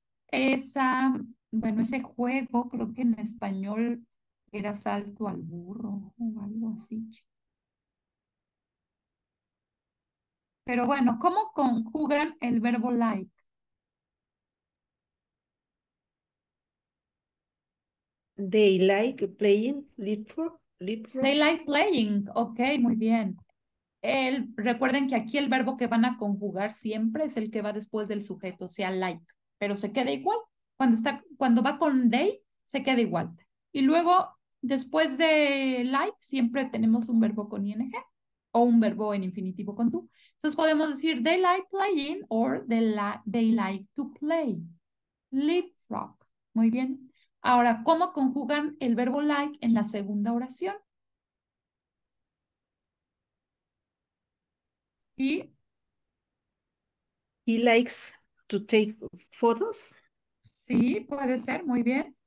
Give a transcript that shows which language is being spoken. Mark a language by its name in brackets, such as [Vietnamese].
[Spanish] Ese juego creo que en español era salto al burro o algo así. Pero bueno, ¿cómo conjugan el verbo like? [English] They like playing leapfrog. They like playing. [Spanish] Ok, muy bien. Recuerden que aquí el verbo que van a conjugar siempre es el que va después del sujeto, o sea, like. Pero se queda igual. Cuando va con they, se queda igual. Y luego, después de like, siempre tenemos un verbo con ing o un verbo en infinitivo con tú. Entonces podemos decir [English] they like playing or they like to play. [Spanish] Leapfrog. Muy bien. Ahora, ¿cómo conjugan el verbo like en la segunda oración? ¿Y? [English] He likes to take photos. [Spanish] Sí, puede ser, muy bien.